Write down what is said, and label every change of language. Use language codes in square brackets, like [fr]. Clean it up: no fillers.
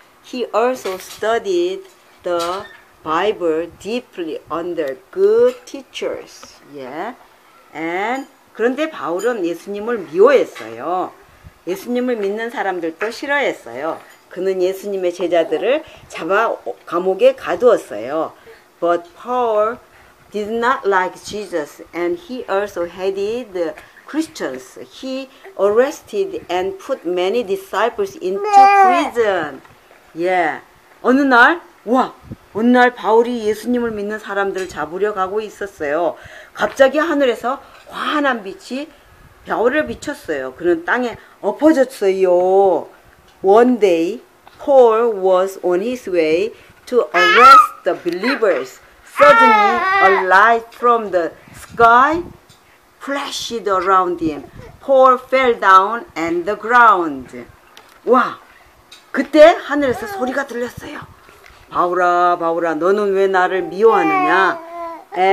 [en] He also studied the Bible deeply under good teachers. Yeah. [ko] And 그런데 바울은 예수님을 미워했어요. 예수님을 믿는 사람들도 싫어했어요. 그는 예수님의 제자들을 잡아 감옥에 가두었어요. [en] But Paul did not like Jesus and he also hated Christians. He arrested and put many disciples into prison. [ko] Yeah. 어느 날, 와! 어느 날 바울이 예수님을 믿는 사람들을 잡으려 가고 있었어요. 갑자기 하늘에서 환한 빛이 바울을 비쳤어요. 그는 땅에 엎어졌어요. [en] One day, Paul was on his way to arrest the believers. Suddenly, a light from the sky flashed around him. Paul fell down on the ground. [ko] 와, 그때 하늘에서 소리가 들렸어요. 바울아, 바울아, 너는 왜 나를 미워하느냐?